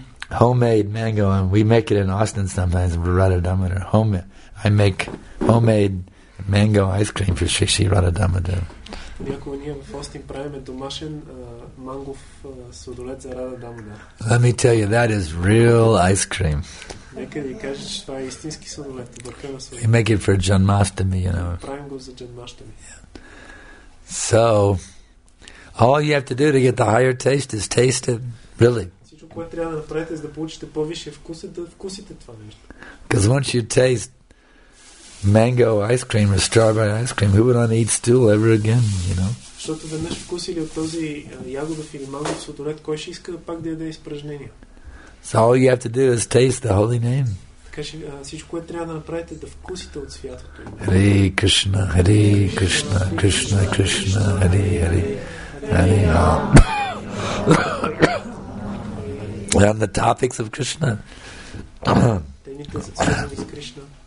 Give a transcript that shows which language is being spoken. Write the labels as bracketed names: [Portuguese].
[English] Homemade mango. And we make it in Austin sometimes. I make homemade mango ice cream for Shri Shri Radha-Damodar. [Bulgarian] Някога ние в Остин правиме домашен мангов сладолет за Рада Дамодар. [English] Let me tell you, that is real ice cream. [Bulgarian] Нека ви кажа, че това е истински сладолет. [English] We make it for Janmashtami, you know. [Bulgarian] Правим го за Janmashtami. [English] So, all you have to do to get the higher taste is taste it, really. [Bulgarian] Всичко, което трябва да направите, за да получите по-висше вкус, е да вкусите това нещо. [English] Because once you taste mango ice cream or strawberry ice cream, who would want to eat stool ever again, you know? [Bulgarian] Защото веднъж вкусили от този ягодов или мангов сладолет, кой ще иска пак да яде изпражнения? [English] So all you have to do is taste the holy name. [Bulgarian] Така че всичко, което трябва да направите, да вкусите от святото име. [Sanskrit] Hare Krishna, Hare Krishna, Krishna Krishna, Hare Hare, Hare Hare. [English] And the topics of Krishna. [Bulgarian] Темите за свързани с Кришна.